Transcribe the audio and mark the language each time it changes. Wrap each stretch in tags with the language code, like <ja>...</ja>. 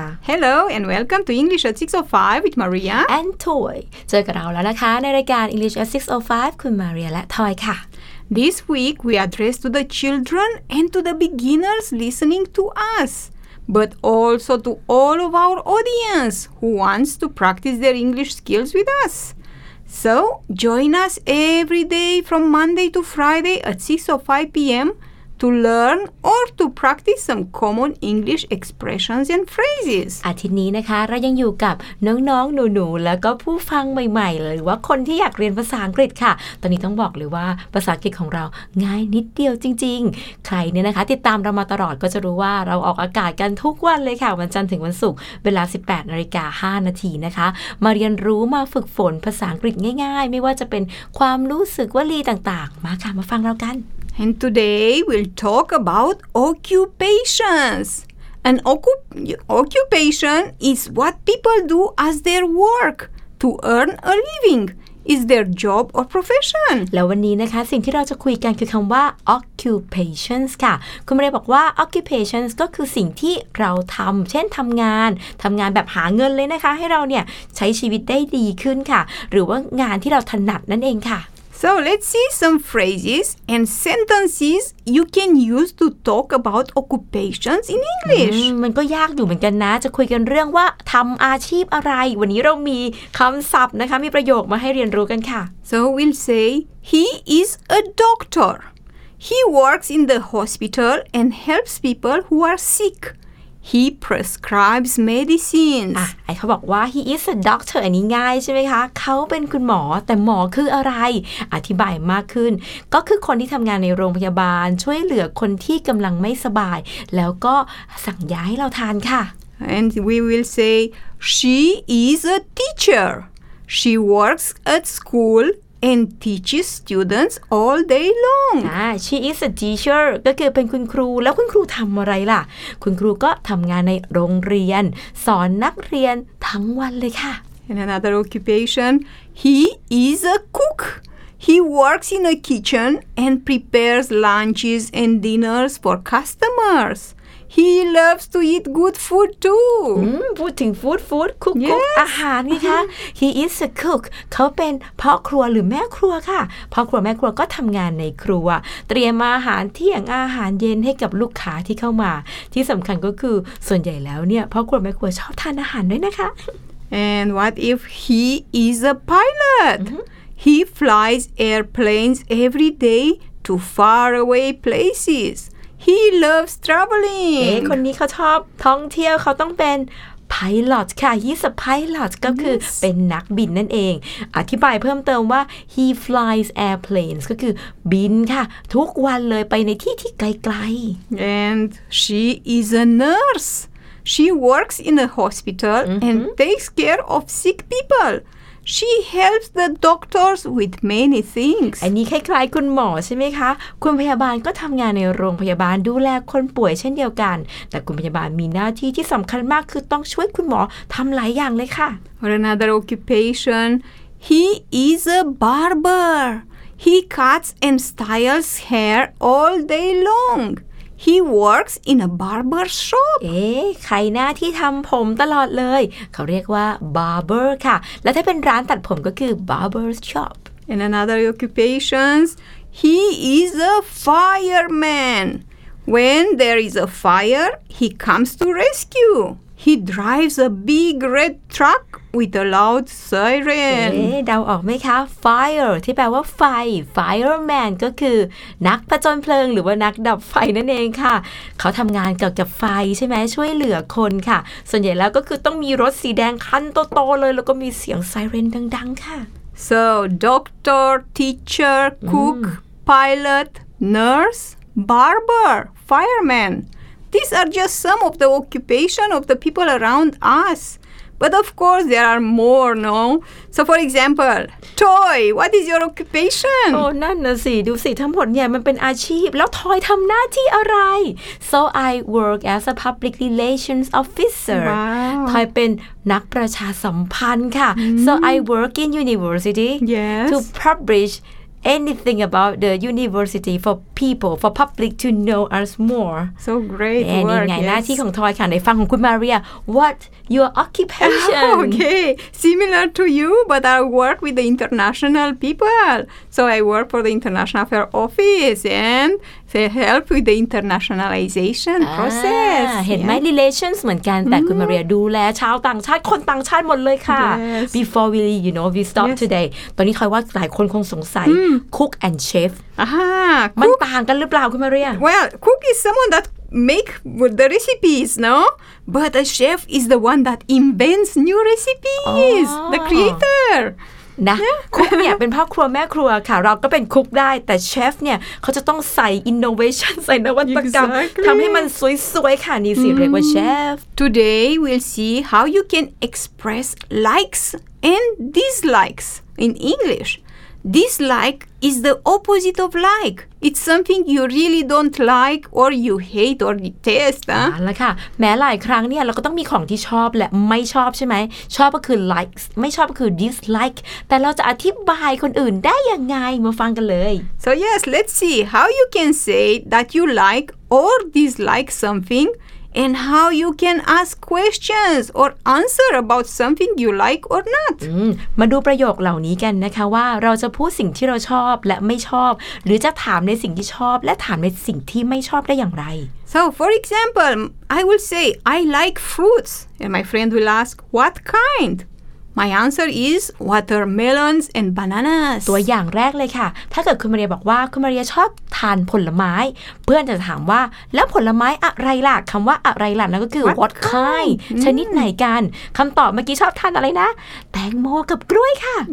<en>Hello and welcome to English at 6:05 with Maria and Toy.</en> <th>เจอกับเราแล้วนะคะในรายการ English at 6:05 คุณ Maria และ Toy ค่ะ</th> <en>This week we address to the children and to the beginners listening to us. But also to all of our audience who wants to practice their English skills with us. So, join us every day from Monday to Friday at 6:05 p.m. to learn or to practice some common English expressions and phrases.</en> <th>อาทิตย์นี้นะคะเรายังอยู่กับน้องๆหนูๆแล้วก็ผู้ฟังใหม่ๆหรือว่าคนที่อยากเรียนภาษาอังกฤษค่ะตอนนี้ต้องบอกเลยว่าภาษาอังกฤษของเราง่ายนิดเดียวจริงๆใครเนี่ยนะคะติดตามเรามาตลอดก็จะรู้ว่าเราออกอากาศกันทุกวันเลยค่ะวันจันทร์ถึงวันศุกร์เวลา 18:05 นะคะมาเรียนรู้มาฝึกฝนภาษาอังกฤษง่ายๆไม่ว่าจะเป็นความรู้สึกวลีต่างๆมาค่ะมาฟังเรากัน</th> <en>And today we'll talk about occupations. An occupation is what people do as their work to earn a living. Is their job or profession.</en> <th>แล้ววันนี้นะคะสิ่งที่เราจะคุยกันคือคำว่า occupations ค่ะคุณเรย์บอกว่า occupations ก็คือสิ่งที่เราทำเช่นทำงานทำงานแบบหาเงินเลยนะคะให้เราเนี่ยใช้ชีวิตได้ดีขึ้นค่ะหรือว่างานที่เราถนัดนั่นเองค่ะ</th> <en>So let's see some phrases and sentences you can use to talk about occupations in English.</en> <th>มันก็ยากอยู่เหมือนกันนะจะคุยกันเรื่องว่าทำอาชีพอะไรวันนี้เรามีคำศัพท์นะคะมีประโยคมาให้เรียนรู้กันค่ะ</th> <en>So we'll say he is a doctor. He works in the hospital and helps people who are sick. He prescribes medicines.</en> <th>ไอ้เขาบอกว่า</th> <en>he is a doctor</en> <th>อันนี้ง่ายใช่ไหมคะเขาเป็นคุณหมอแต่หมอคืออะไรอธิบายมากขึ้นก็คือคนที่ทำงานในโรงพยาบาลช่วยเหลือคนที่กำลังไม่สบายแล้วก็สั่งยาให้เราทานค่ะ</th> <en>And we will say she is a teacher. She works at school. And teaches students all day long. She is a teacher.</en> <th>ก็คือเป็นคุณครูแล้วคุณครูทำอะไรล่ะคุณครูก็ทำงานในโรงเรียนสอนนักเรียนทั้งวันเลยค่ะ</th> <en>And another occupation. He is a cook. He works in a kitchen and prepares lunches and dinners for customers. He loves to eat good food too.</en> <th>พูดถึง food คุก</th> <en>yes.</en> <th>อาหารนี่คะ</th> <en>He is a cook.</en> <th>เขาเป็นพ่อครัวหรือแม่ครัวค่ะพ่อครัวแม่ครัวก็ทำงานในครัวเตรียมอาหารเที่ยงอาหารเย็นให้กับลูกค้าที่เข้ามาที่สำคัญก็คือส่วนใหญ่แล้วเนี่ยพ่อครัวแม่ครัวชอบทานอาหารด้วยนะคะ</th> <en>And what if he is a pilot? He flies airplanes every day to faraway places. He loves traveling.</en> <th>เอ๊ะคนนี้เขาชอบท่องเที่ยวเขาต้องเป็น pilot ค่ะ</th> <en>He's a pilot</en> <th>ก็คือเป็นนักบินนั่นเองอธิบายเพิ่มเติมว่า</th> <en>He flies airplanes</en> <th>ก็คือบินค่ะทุกวันเลยไปในที่ที่ไกลๆ</th> <en>And she is a nurse. She works in a hospital and takes care of sick people. She helps the doctors with many things.</en> <th>อันนี้คล้ายๆคุณหมอใช่ไหมคะคุณพยาบาลก็ทำงานในโรงพยาบาลดูแลคนป่วยเช่นเดียวกันแต่คุณพยาบาลมีหน้าที่ที่สำคัญมากคือต้องช่วยคุณหมอทำหลายอย่างเลยค่ะ</th> <en>Or another occupation. He is a barber. He cuts and styles hair all day long. He works in a barber shop.</en> <th>เอ๊ะใครหน้าที่ทำผมตลอดเลยเขาเรียกว่า barber ค่ะและถ้าเป็นร้านตัดผมก็คือ barber shop.</th> <en>In another occupations, he is a fireman. When there is a fire, he comes to rescue. He drives a big red truck. With a loud siren.</en> <th>เดาออกไหมคะ Fire ที่แปลว่าไฟ Fireman ก็คือนักผจญเพลิงหรือว่านักดับไฟนั่นเองค่ะเขาทำงานเกี่ยวกับไฟใช่ไหมช่วยเหลือคนค่ะส่วนใหญ่แล้วก็คือต้องมีรถสีแดงคันโตๆเลยแล้วก็มีเสียงไซเรนดังๆค่ะ</th> <en>So doctor, teacher, cook, pilot, nurse, barber, fireman. These are just some of the occupation of the people around us. But of course, there are more, no? So, for example, Toy, what is your occupation?</en> <th>Oh, นั่นน่ะสิดูสิทั้งหมดเนี่ยมันเป็นอาชีพแล้ว Toy ทำหน้าที่อะไร</th> <en>So, I work as a public relations officer. Wow.</en> <th>Toy เป็นนักประชาสัมพันธ์ค่ะ</th> <en>So, I work in university Yes. to publish anything about the university for people, for public to know us more. So great and work.</en> <th>And หน้าที่ของทอยค่ะในฟังของคุณมาเรีย</th> <en>What your occupation? Okay, similar to you, but I work with the international people. So I work for the International Affairs Office and they help with the internationalization process.</en> <th>เห็นไหม relations เหมือนกันแต่คุณมาเรียดูแลชาวต่างชาติคนต่างชาติหมดเลยค่ะ</th> <en>yes. Before we you know we stop yes.</en> <th>today ตอนนี้คอยว่าหลายคนคงสงสัย</th> <en>cook and chef</en> <th>มันต่างกันหรือเปล่าคุณมาเรีย</th> <en>Well cook is someone that make the recipes no but a chef is the one that invents new recipes the creator</en> <th>นะคุกเนี่ยเป็นพ่อครัวแม่ครัวค่ะเราก็เป็นคุกได้แต่เชฟเนี่ยเขาจะต้องใส่ innovation ใส่นวัตกรรมทำให้มันสวยๆค่ะนี่สิเรียกว่าเชฟ</th> <en>Today we'll see how you can express likes and dislikes in English Dislike is the opposite of like It's something you really don't like or you hate or detest</en> <th>อ่ะแล้วค่ะแม้หลายครั้งเนี่ยเราก็ต้องมีของที่ชอบและไม่ชอบใช่ไหมชอบก็คือ like ไม่ชอบก็คือ dislike แต่เราจะอธิบายคนอื่นได้ยังไงมาฟังกันเลย</th> <en>So yes let's see how you can say that you like or dislike somethingAnd how you can ask questions or answer about something you like or not.</en> <th>มาดูประโยคเหล่านี้กันนะคะว่าเราจะพูดสิ่งที่เราชอบและไม่ชอบหรือจะถามในสิ่งที่ชอบและถามในสิ่งที่ไม่ชอบได้อย่างไร</th> <en>So for example, I will say I like fruits, and my friend will ask what kind. My answer is watermelons and bananas.</en> <th>ตัวอย่างแรกเลยค่ะถ้าเกิดคุณมาเรียบอกว่าคุณมาเรียชอบทานผลไม้เพื่อนจะถามว่าแล้วผลไม้อะไรล่ะคำว่าอะไรล่ะนั่นก็คือ</th> <en>what kind</en> <th>ชนิดไหนกันคำตอบเมื่อกี้ชอบทานอะไรนะแตงโมกับกล้วยค่ะ</th>